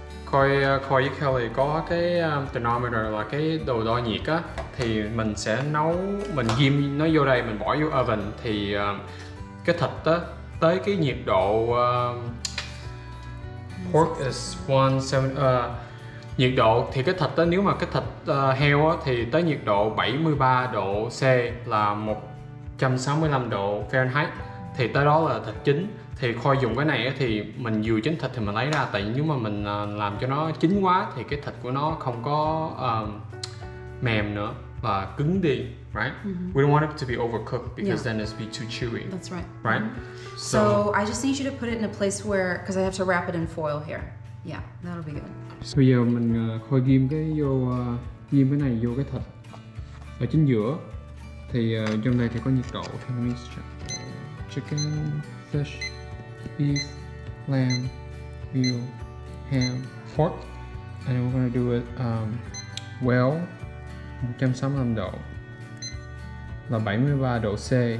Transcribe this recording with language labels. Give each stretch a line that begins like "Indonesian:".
Vietnamese: Coi với Kelly có cái thermometer, là cái đồ đo nhiệt á, thì mình sẽ nấu, mình ghim nó vô đây, mình bỏ vô oven, thì cái thịt á tới cái nhiệt độ pork is 170 nhiệt độ, thì cái thịt á, nếu mà cái thịt heo á thì tới nhiệt độ 73 độ C, là 165 độ Fahrenheit, thì tới đó là thịt chín. Thì khoai dùng cái này thì mình vừa chín thịt thì mình lấy ra, tại vì nếu mà mình làm cho nó chín quá thì cái thịt của nó không có mềm nữa và cứng đi, right? Mm-hmm.
English: We don't want it to be overcooked, because then it's be too chewy. That's right. Right? So I just need you to put it in a place where, because I have to wrap it in foil here. Yeah, that'll be good.
Vietnamese: So bây giờ mình khoai ghim cái vô ghim cái này vô cái thịt ở chính giữa. Thì trong này thì có nhiệt độ, thì mình sẽ
English: chicken, fish, beef, lamb, veal, ham, pork, and we're gonna do it well,
Vietnamese: 165 độ, là 73 độ C.